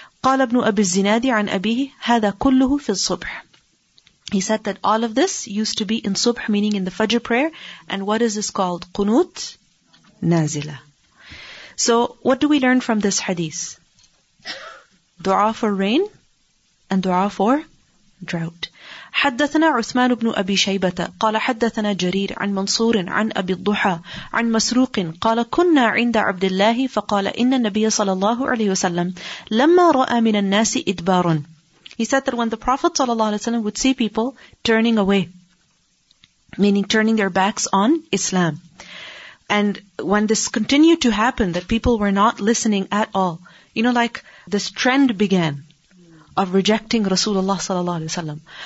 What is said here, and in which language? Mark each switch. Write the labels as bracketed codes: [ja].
[ar] قَالَ ابْنُ أَبِي الزِّنَادِ عَنْ أَبِيهِ, هَذَا كُلُّهُ فِي الصُّبْحِ. [en] He said that all of this used to be in subh, meaning in the Fajr prayer. And what is this called? Qunut Nazila. So what do we learn from this hadith? Dua for rain and dua for drought. [ar] حدثنا عثمان بن أبي شيبة قال حدثنا جرير عن منصور عن أبي الضحى عن مسروق قال كنا عند عبد الله فقال إن النبي صلى الله عليه وسلم لما رأى من الناس إدبار. [en] He said that when the Prophet ﷺ would see people turning away, meaning turning their backs on Islam, and when this continued to happen, that people were not listening at all, you know, like this trend began of rejecting Rasulullah ﷺ.